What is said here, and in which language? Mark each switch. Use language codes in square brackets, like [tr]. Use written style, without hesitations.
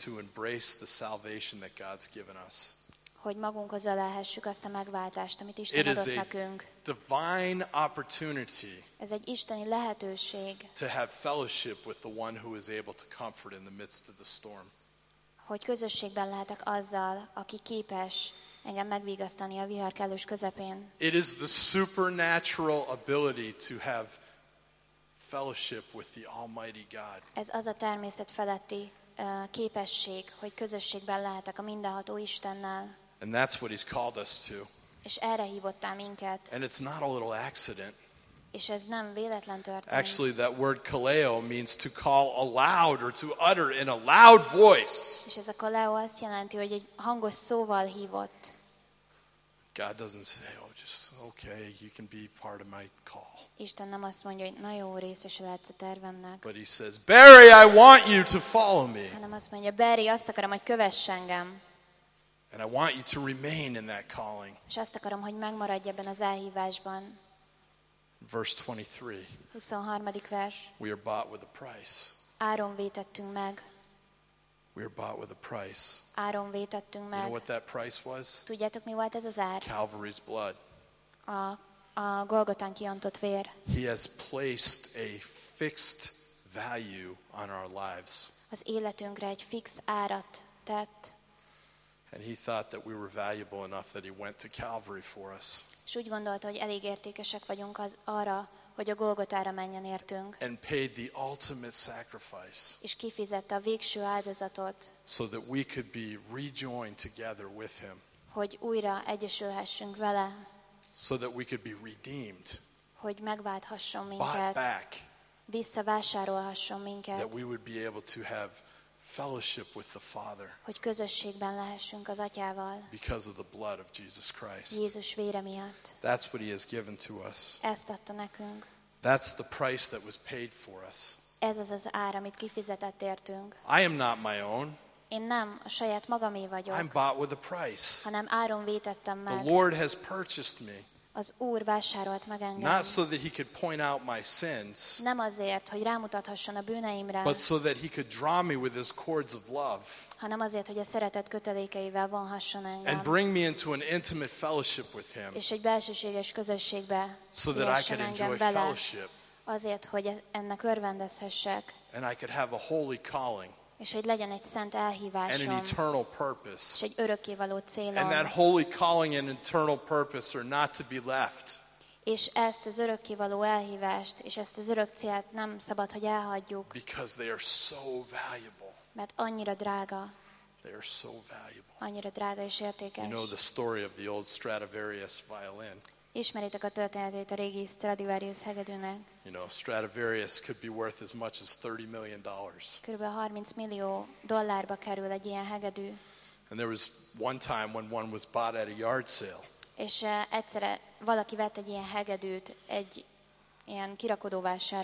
[en] To embrace the salvation that God's given us. [hu] Hogy magunkhoz ölelhessük azt a megváltást, amit Isten adott nekünk. [en] It is a divine opportunity. [hu] Ez egy isteni lehetőség. [en] To have fellowship with the one who is able to comfort in the midst of the storm. [hu] Hogy közösségben lehetek azzal, aki képes engem megvigasztani a vihar kellős közepén. [en] It is the supernatural ability to have fellowship with the Almighty God. [hu] Ez az a természet feletti képesség, hogy közösségben lehetek a mindenható Istennel. [en] And that's what he's called us to. [hu] És erre hívott el minket. [en] And it's not a little accident. [hu] És ez nem véletlen történt. [en] Actually, that word kaleo means to call aloud or to utter in a loud voice. [hu] És ez a kaleo azt jelenti, hogy egy hangos szóval hívott. [en] God doesn't say, oh, just okay, you can be part of my call. [hu] Isten nem azt mondja, hogy na jó, részese lehetsz a tervemnek. [en] But he says, Barry, I want you to follow me. [hu] Hanem azt mondja, Barry, azt akarom, hogy kövess engem. [en] And I want you to remain in that calling. [hu] És azt akarom, hogy megmaradj ebben az elhívásban. [en] Verse 23. [hu] 23. vers. [en] We are bought with a price. [hu] Áron vétettünk meg. [en] We are bought with a price. [hu] Áron vétettünk meg. [en] You know what that price was? [hu] Tudjátok, mi volt ez az ár? [en] Calvary's blood. [hu] A Golgotán kiontott vér. [en] He has placed a fixed value on our lives. [hu] az életünkre egy fix árat tett. [en] And he thought that we were valuable enough that he went to Calvary for us. [hu] És úgy gondolta, hogy elég értékesek vagyunk az arra, hogy a Golgotára menjen értünk. [en] And paid the ultimate sacrifice. [hu] És kifizette a végső áldozatot. [en] So that we could be rejoined together with him. [hu] Hogy újra egyesülhessünk vele. [en] So that we could be redeemed. [hu] Hogy megválthasson minket. Visszavásárolhasson minket. [en] That we would be able to have fellowship with the Father. [hu] Hogy közösségben lehessünk az Atyával. [en] Because of the blood of Jesus Christ. [hu] Jézus vére miatt. [en] That's what he has given to us. [hu] Ezt adta nekünk. [en] That's the price that was paid for us. [hu] Ez az az ár, amit kifizetett értünk. [en] I am not my own. [hu] Én nem a saját magamé vagyok. [en] I'm bought with a price. [hu] Hanem áron vétettem meg. [en] The Lord has purchased me. [hu] Az Úr vásárolt meg engem. [en] Not so that he could point out my sins. [hu] Nem azért, hogy rámutathasson a bűneimre. [en] But so that he could draw me with his cords of love. [hu] Hanem azért, hogy a szeretet kötelékeivel vonhasson engem. [en] And bring me into an intimate fellowship with him. [hu] És egy belsőséges közösségbe. [en] So that I could enjoy fellowship. [hu] Azért, hogy ennek örvendezhessek. [en] And I could have a holy calling. [hu] És hogy legyen egy szent elhívásom. [en] And an eternal purpose. [hu] És egy örökkévaló célom. [en] And that holy calling and eternal purpose are not to be left. [hu] És ezt az örökkévaló elhívást, és ezt az örök célt nem szabad, hogy elhagyjuk. [en] Because they are so valuable. [hu] Mert annyira drága. [en] They are so valuable. [hu] Annyira drága és értékes. [en] You know the story of the old Stradivarius violin. [hu] Ismeritek a történetét a régi Stradivarius hegedűnek. [en] You know, Stradivarius could be worth as much as $30 million. [hu] Körülbelül 30 millió dollárba kerül egy ilyen hegedű. [en] And there was one time when one was bought at a yard sale. [hu] És egyszerre valaki vett egy ilyen hegedűt egy ilyen kirakodóvásáron.